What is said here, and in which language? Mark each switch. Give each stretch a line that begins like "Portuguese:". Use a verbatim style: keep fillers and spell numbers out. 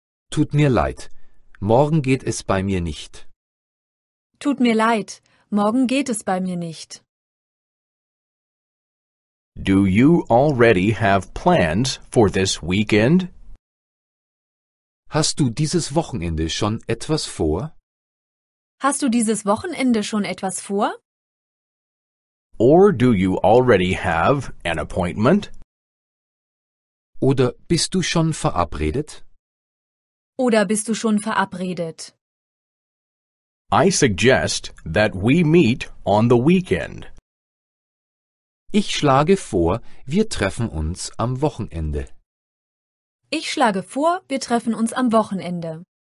German: Tut mir leid, morgen geht es bei mir nicht. Tut mir leid, morgen geht es bei mir nicht.
English: Do you already have plans for this weekend?
German: Hast du dieses Wochenende schon etwas vor? Hast du dieses Wochenende schon etwas vor?
English: Or do you already have an appointment?
German: Oder bist du schon verabredet? Oder bist du schon verabredet?
English: I suggest that we meet on the weekend.
German: Ich schlage vor, wir treffen uns am Wochenende. Ich schlage vor, wir treffen uns am Wochenende.